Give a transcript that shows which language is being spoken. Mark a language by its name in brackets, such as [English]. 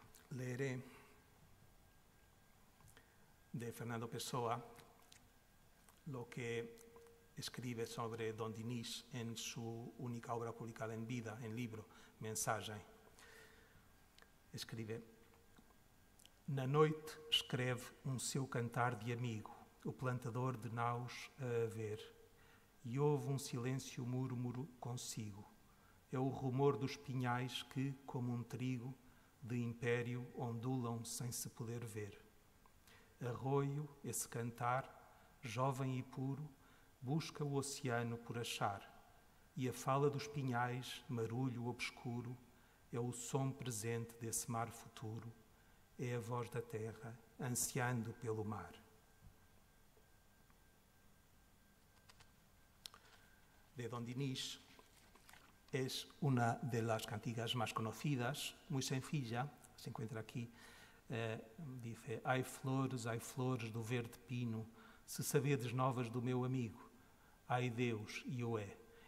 [Spanish] Leeré de Fernando Pessoa lo que escribe sobre don Dinis en su única obra publicada en vida, en libro, Mensagem. Escribe, [Portuguese] na noite escreve seu cantar de amigo, o plantador de naus a haver, e ouve silêncio múrmuro consigo, é o rumor dos pinhais que, como trigo, de império ondulam sem se poder ver. Arroio esse cantar, jovem e puro, busca o oceano por achar, e a fala dos pinhais, marulho obscuro, é o som presente desse mar futuro, é a voz da terra ansiando pelo mar. [Spanish] De Don Dinis es una de las cantigas más conocidas, muy sencilla, se encuentra aquí, dice: [Portuguese] ai flores do verde pino, se sabedes novas do meu amigo, ai Deus, io é.